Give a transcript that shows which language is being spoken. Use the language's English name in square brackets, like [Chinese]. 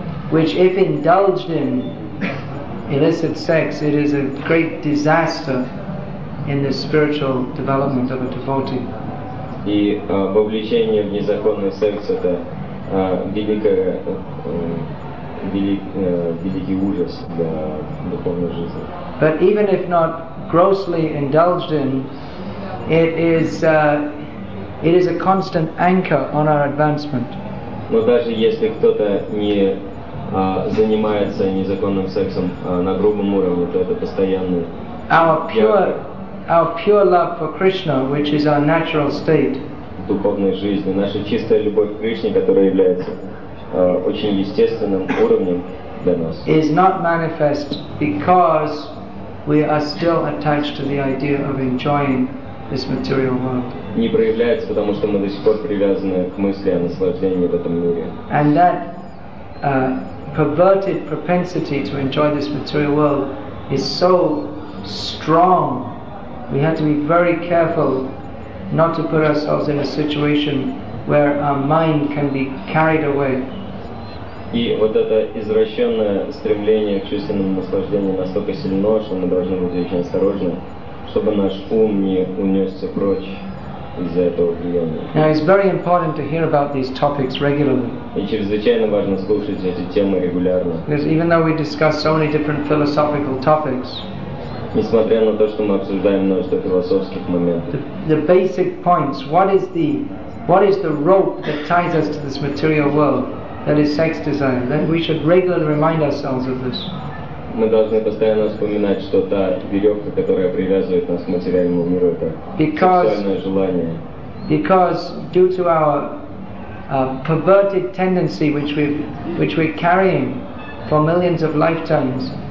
[English] which if indulged in illicit sex, it is a great disaster in the spiritual development of a devotee. [Russian] И вовлечение в незаконный секс это великий ужас для духовной жизни. [English] But even if not grossly indulged in, it is a constant anchor on our advancement. [Russian] Но даже если кто-то не занимается незаконным сексом на грубом уровне, то это постоянный. [English] Our pure love for Krishna, which is our natural state. [Russian] Духовной жизни, наша чистая любовь к Кришне, которая является очень естественным уровнем для нас. [English] Is not manifest because we are still attached to the idea of enjoying this material world. [Russian] Не проявляется, потому что мы до сих пор привязаны к мысли о наслаждении в этом мире. [English] And that perverted propensity to enjoy this material world is so strong. We have to be very careful not to put ourselves in a situation where our mind can be carried away. [Russian] И вот это извращенное стремление к чувственным наслаждениям настолько сильно, что мы должны быть очень осторожны, чтобы наш ум не унесся прочь из-за этого влияния. [English] Now it's very important to hear about these topics regularly. [Russian] И чрезвычайно важно слушать эти темы регулярно. [English] Because even though we discuss so many different philosophical topics, [Russian] несмотря на то, что мы обсуждаем множество философских моментов, [English] the basic points, what is the rope that ties us to this material world? That is sex desire. That we should regularly remind ourselves of this. [Russian] Мы должны постоянно вспоминать, что та веревка, которая привязывает нас к материальному миру, это сексуальное желание. [English] Because due to our perverted tendency, which we're carrying for millions of lifetimes,